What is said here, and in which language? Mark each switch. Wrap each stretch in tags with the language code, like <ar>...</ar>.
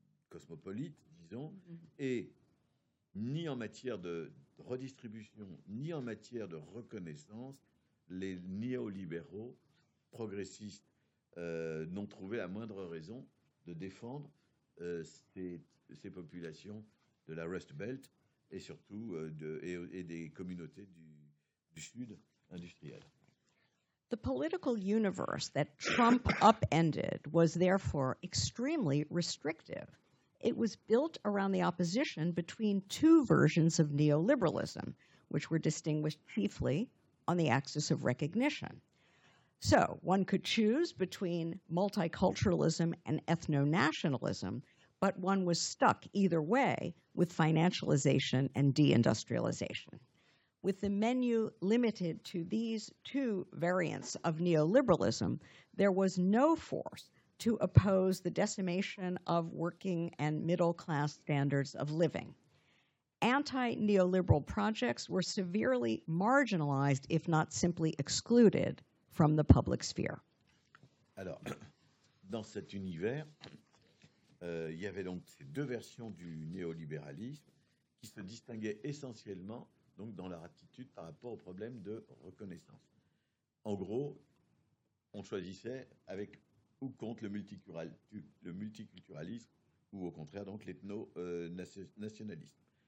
<fr>cosmopolite, disons, et ni en matière de redistribution, ni en matière de reconnaissance, les néolibéraux progressistes n'ont trouvé la moindre raison de défendre ces populations de la Rust Belt et surtout des communautés du Sud industriel.</fr> <en>The political universe that Trump upended was therefore extremely restrictive. It was built around the opposition between two versions of neoliberalism, which were distinguished chiefly on the axis of recognition. So one could choose between multiculturalism and ethno-nationalism, but one was stuck either way with financialization and deindustrialization. With the menu limited to these two variants of neoliberalism, there was no force to oppose the decimation of working and middle-class standards of living. Anti-neoliberal projects were severely marginalized, if not simply excluded, from the public sphere.</en> <fr>Alors, dans cet univers, il y avait donc ces deux versions du néolibéralisme qui se distinguaient essentiellement donc dans leur attitude par rapport au problème de reconnaissance. En gros, on choisissait avec ou contre le multiculturalisme ou au contraire donc l'ethno-nationalisme.</fr>